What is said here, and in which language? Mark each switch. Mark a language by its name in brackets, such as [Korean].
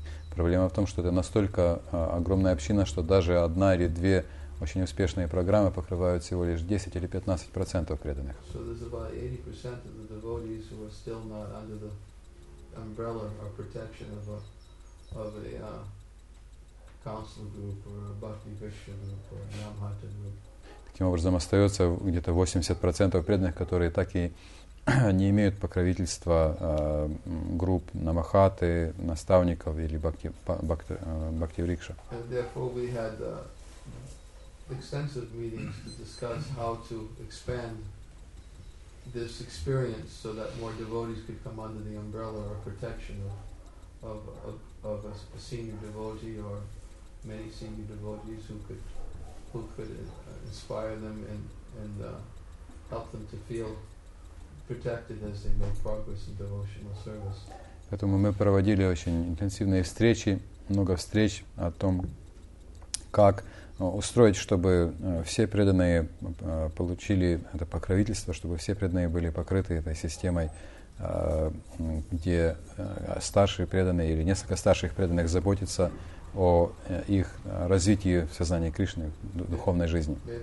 [Russian] Проблема в том, что это настолько огромная община, что даже одна или две очень успешные программы покрывают всего лишь 10 или 15% преданных. [English] So there's about 80% of the devotees who are still not under the umbrella or protection of a council group or a Bhakti Krishna group or a Namhata group. [Russian] Таким образом, остается где-то 80% преданных, которые так и не имеют покровительства групп намахаты, наставников или бхакти-врикша. [English] And therefore we had extensive meetings to discuss how to expand this experience so that more devotees could come under the umbrella or protection of a senior devotee or many senior devotees who could inspire them and help them to feel protected as they make progress in devotional service. [Russian] Поэтому мы проводили очень интенсивные встречи, много встреч о том, как устроить, чтобы все преданные получили это покровительство, чтобы все преданные были покрыты этой системой, где старшие преданные или несколько старших преданных заботятся о их развитии в сознании Кришны, в духовной жизни.